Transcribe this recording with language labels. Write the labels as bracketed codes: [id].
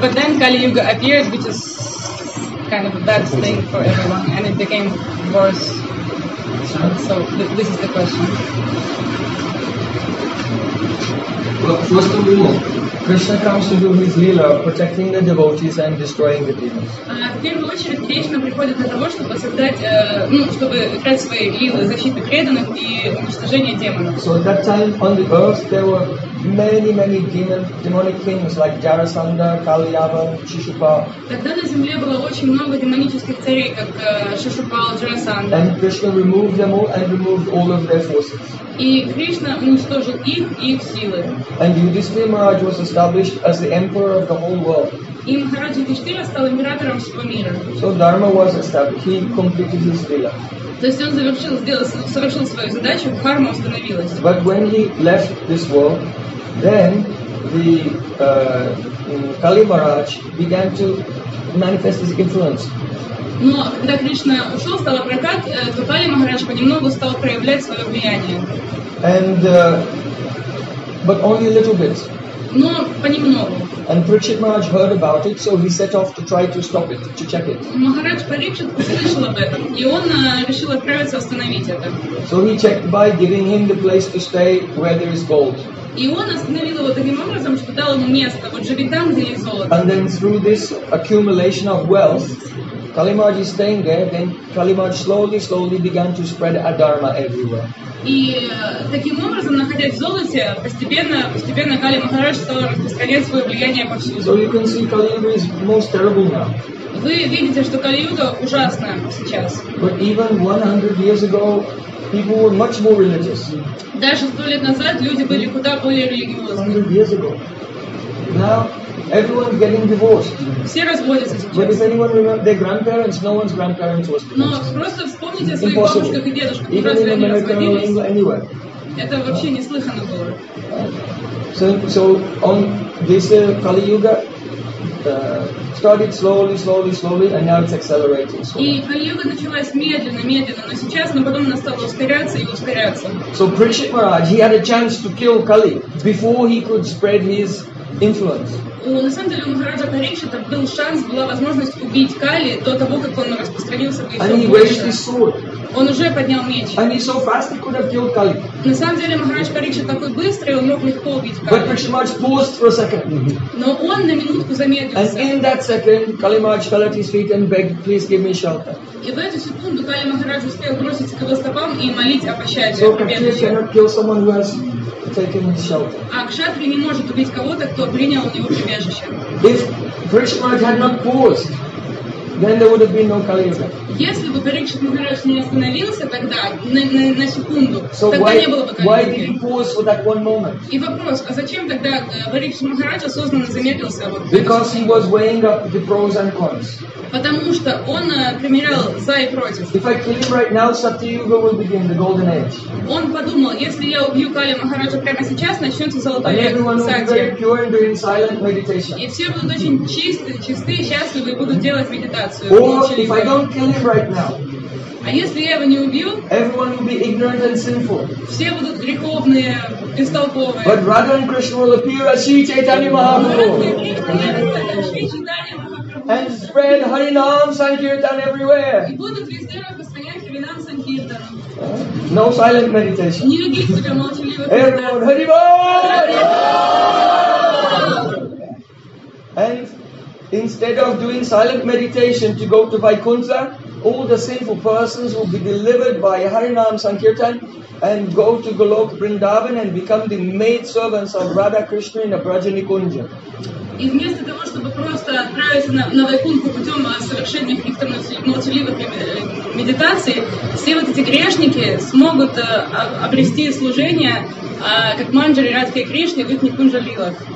[en] But then Kali Yuga appeared, which is kind of a bad thing for everyone, and it became worse. So this is the question. Well, first of all, Krishna comes to do his lila, protecting the devotees and destroying the demons. [ru] В первую очередь Кришна приходит для того, чтобы создать, чтобы играть свои лилы, защиты преданных и уничтожение демонов. [en] So at that time on the earth there were many demonic kings like Jarasandha, Kalyavan, Shishupal. [ru] Тогда на земле было очень много демонических царей, как Шишупал, Джарасандха. [en] And Krishna removed them all and removed all of their forces. [ru] И Кришна уничтожил их и их силы. [en] And Yudhishthira Maharaj was established as the emperor of the whole world. [ru] И Махарадж Юдхиштхира стал императором всего мира. [en] So Dharma was established. He completed his lila. [ru] То есть он завершил, совершил свою задачу, карма установилась. [en] But when he left this world, then the Kali Maharaj began to manifest his influence. [ru] Но когда Кришна ушел, стал апракат, то Кали Махарадж понемногу стал проявлять свое влияние. [en] And but only a little bit. [ru] Но понемногу. [en] And Parikshit Maharaj heard about it, so he set off to try to stop it, to check it. [ru] Махарадж Парикшит услышал об этом, и он решил отправиться остановить это. [en] So he checked by giving him the place to stay where there is gold. [ru] И он остановил его таким образом, что дал ему место, вот живи там, где есть золото. [en] And then through this accumulation of wealth, Kali Maharaj is staying there, then Kali Maharaj slowly began to spread Adharma everywhere. [ru] И таким образом, находясь в золоте, постепенно Кали Махарадж стал распространять свое влияние повсюду. [en] So you can see Kali Yuga is most terrible now. [ru] Вы видите, что Кали Юга ужасна сейчас. [en] But even 100 years ago, people were much more religious. [ru] Даже 100 лет назад люди были куда более религиозны. [en] 100 years ago. Now, everyone's getting divorced. [ru] Все разводятся сейчас. [en] But if anyone remembers their grandparents, no one's grandparents was divorced. [ru] Но просто вспомните своих бабушек и дедушек, разве они разводились? [en] Anywhere. [ru] Это вообще неслыханно было. [en] So on this Kali Yuga started slowly, and now it's accelerating. [ru] И Kali Yuga началась медленно, но сейчас, но потом она стала ускоряться. [en] So Parikshit Maharaj, he had a chance to kill Kali before he could spread his influence. [ru] На самом деле у Махараджа Парикшита был шанс, была возможность убить Кали до того, как он распространился по всему миру. [en] And he raised his sword. [ru] Он уже поднял меч. [en] And he so fast he could have killed Kali. [ru] На самом деле Махарадж Парикшит такой быстрый, он мог легко убить Кали. [en] But Parikshit Maharaj paused for a second. [ru] Но он на минутку замедлился. [en] And in that second, Kali Maharaj fell at his feet and begged, please give me shelter. [ru] И в эту секунду Кали Махарадж успел броситься к его стопам и молить о пощаде. [en] So Parikshit Maharaj cannot kill someone who has taken his shelter. [ru] А кшатри не может убить кого-то, кто принял его прибежище. [en] If Parikshit Maharaj had not paused, then there would have been no Kali Yuga. [ru] Если бы Парикшит Махарадж не остановился тогда на секунду, тогда не было бы Кали Юги. [en] Why did he pause for that one moment? [ru] И вопрос: а зачем тогда Парикшит Махарадж осознанно замедлился? [en] Because he was weighing up the pros and cons. [ru] потому что он примерял за и против. [en] If I kill him right now, Sati Yuga will begin the golden age. [ru] Он подумал, если я убью Кали Махараджа прямо сейчас, начнется золотой век Сати. [en] Very pure and doing silent meditation. [ru] И все будут очень чистые, чистые, счастливые, будут делать медитацию. [en] Or if I don't kill him right now. [ru] А если я его не убью, [en] everyone will be ignorant and sinful. [ru] Все будут греховные, бестолковые. [en] But Radha and Krishna will appear as Sri Chaitanya Mahaprabhu. And spread Harinam Sankirtan everywhere. [ru] И будут везде распространять Харинам Санкиртан. [en] No silent meditation. [ru] Не любить себя молчаливо. [en] Everyone, Харибол! And instead of doing silent meditation to go to Vaikuntha, all the sinful persons will be delivered by Harinam Sankirtan and go to Golok Vrindavan and become the maid servants of Radha Krishna in a Brajanikunja. [ru] И вместо того, чтобы просто отправиться на Вайкунху путем совершения каких-то молчаливых медитаций, все вот эти грешники смогут обрести служение как манджари Радхи и Кришны в их Никунджа-лилах.